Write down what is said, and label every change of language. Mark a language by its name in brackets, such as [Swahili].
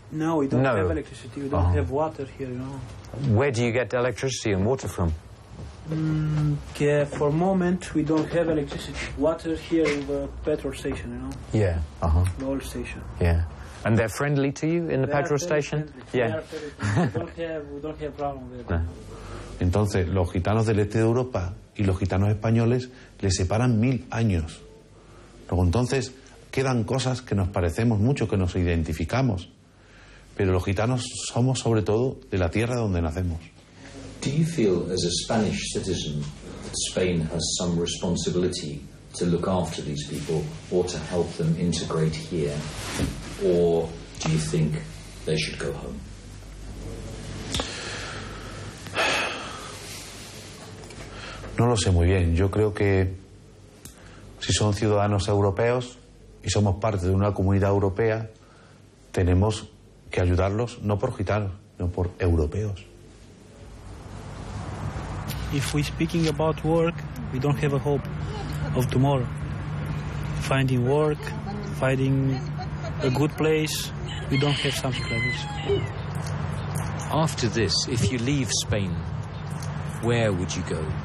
[English] No, we don't have electricity. We don't have water here, you know. Where do you get electricity and water from? For a moment, we don't have electricity. Water here in the petrol station, you know? Yeah, The oil station. Yeah. And they're friendly to you in the petrol station? Friendly. Yeah. We don't have problem with that. [Spanish] Entonces, los gitanos del este de Europa y los gitanos españoles les separan 1000 años. Luego, entonces... Quedan cosas que nos parecemos mucho, que nos identificamos. Pero los gitanos somos sobre todo de la tierra donde nacemos. [English] Do you feel as a Spanish citizen that Spain has some responsibility to look after these people or to help them integrate here? Or do you think they should go home? [Spanish] No lo sé muy bien. Yo creo que si son ciudadanos europeos y somos parte de una comunidad europea, tenemos que ayudarlos, no por gitanos, sino por europeos. [English] If we speaking about work, we don't have a hope of tomorrow. Finding work, finding a good place, we don't have something like this. After this, if you leave Spain, where would you go?